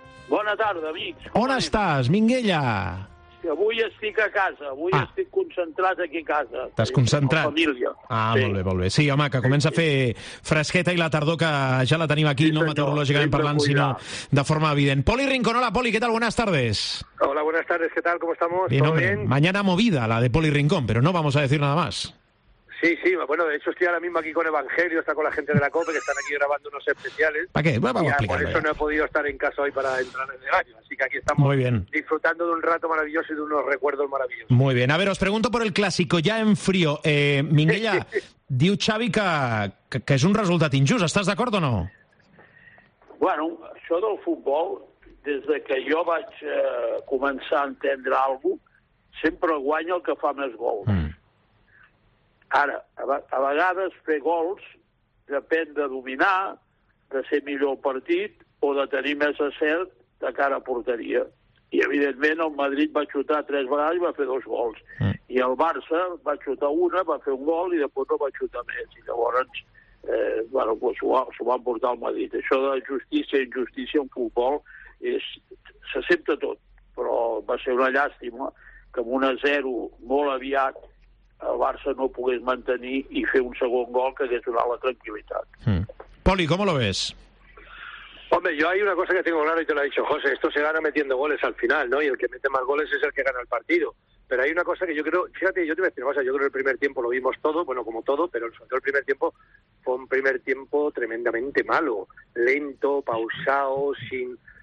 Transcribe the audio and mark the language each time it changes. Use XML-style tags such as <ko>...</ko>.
<ca>Bona tarda, amics. On estàs, Minguella? Avui estic a casa, avui estic concentrat aquí a casa. T'has concentrat? Amb família. Ah, sí. Molt bé, molt bé. Sí, home, que comença a fer fresqueta i la tardor, que ja la tenim aquí, sí, no meteorològicament parlant, sinó de forma evident. Poli Rincón, hola, Poli, què tal?</ca> <es>Buenas tardes. Hola, buenas tardes, ¿qué tal? ¿Cómo estamos? Bien, hombre, bien. Mañana movida la de Poli Rincón, pero no vamos a decir nada más. Sí, sí, bueno, de hecho estoy ahora mismo aquí con Evangelio, está con la gente de la COPE, que están aquí grabando unos especiales. ¿Para qué? Bueno, vamos a explicarlo. Por eso ya no he podido estar en casa hoy para entrar en el año, así que aquí estamos. Muy bien. Disfrutando de un rato maravilloso y de unos recuerdos maravillosos. Muy bien, a ver, os pregunto por el clásico, ya en frío. Minguella,</es> <ca>diu Xavi que es un resultat injust,</ca> <es>¿estás de acuerdo o no?</es> <ca>Bueno, això del futbol, des de que jo vaig començar a entendre algo, sempre guanya el que fa més gols. Mm. Ara, a vegades fer gols depèn de dominar, de ser millor partit o de tenir més encert de cara a porteria. I, evidentment, el Madrid va xutar 3 vegades i va fer 2 gols. Mm. I el Barça va xutar una, va fer un gol i després no va xutar més. I llavors, bueno, pues, s'ho va emportar el Madrid. Això de justícia i injustícia en futbol se sent a tot. Però va ser una llàstima que amb un 1-0 molt aviat el Barça no pogués mantenir i fer un segon gol que hagués donat la tranquil·litat.</ca> <es>Mm. Poli, ¿cómo lo ves? Hombre, yo hay una cosa que tengo claro y te lo ha dicho José, esto se gana metiendo goles al final, ¿no? Y el que mete más goles es el que gana el partido. Pero hay una cosa que yo creo, fíjate, yo te voy a decir, o sea, yo creo que el primer tiempo lo vimos todo, bueno, como todo, pero sobre todo el primer tiempo fue un primer tiempo tremendamente malo, lento, pausado, sin...</es>